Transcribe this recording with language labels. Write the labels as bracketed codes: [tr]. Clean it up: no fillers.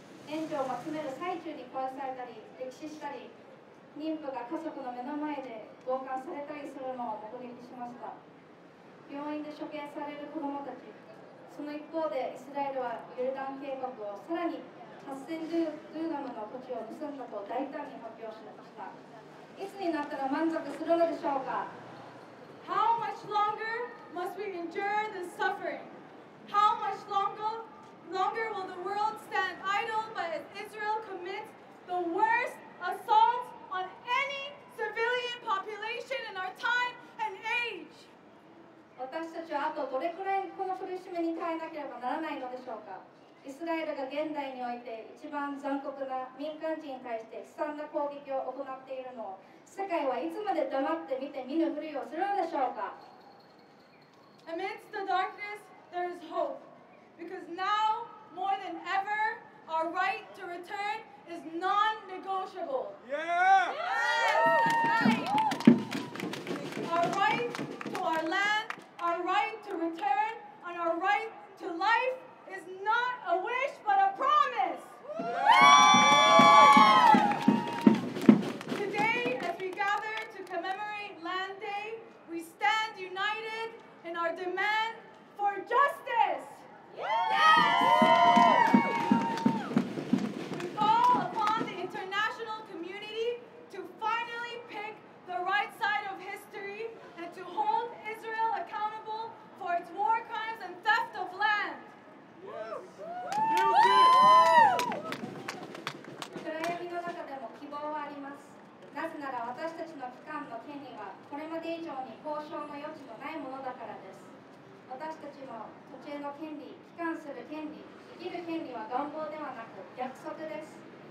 [ja] 援助を待つめる最中に殺されたり、溺死したり、妊婦が家族の目の前で強姦されたりするのを目撃しました。病院で処刑される子供たち、その一方でイスラエルはヨルダン渓谷をさらに 8,000 ドゥーナムの土地を盗んだと大胆に発表しました。いつになったら満足するのでしょうか? [en] How much longer must we endure this suffering? How much longer will the world stand idle by as Israel commits the worst assault on any civilian population in our time and age? [ja] 私たちはあとどれくらいこの苦しみに耐えなければならないのでしょうか? イスラエルが現代において一番残酷な民間人に対して悲惨な攻撃を行っているのを世界はいつまで黙って見て見ぬふりをするのでしょうか。 [en] Amidst the darkness, there is hope. Because now, more than ever, our right to return is non-negotiable. Yeah! Our right to our land, our right to return, and our right to life is not a wish, but a promise! Today, as we gather to commemorate Land Day, we stand united in our demand for justice! We call upon the international community to finally pick the right side of history and to hold Israel accountable for its war crimes and theft of land! [ja] 暗闇の中でも希望はあります。なぜなら私たちの機関の権利はこれまで以上に交渉の余地のないものだからです。私たちの土地への権利、帰還する権利、生きる権利は願望ではなく約束です。